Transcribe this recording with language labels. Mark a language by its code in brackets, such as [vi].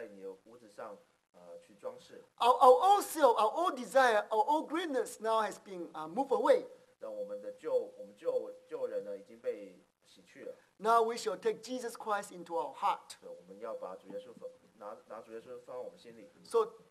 [zh] 所以之后你要能够在你的屋子上去装饰。 [en] Our old self, our old desire, our old greatness now has been moved away. [zh] 让我们的旧人呢已经被洗去了。 [en] Now we shall take Jesus Christ into our heart. [zh] 我们要把主耶稣放我们心里。 [en] So,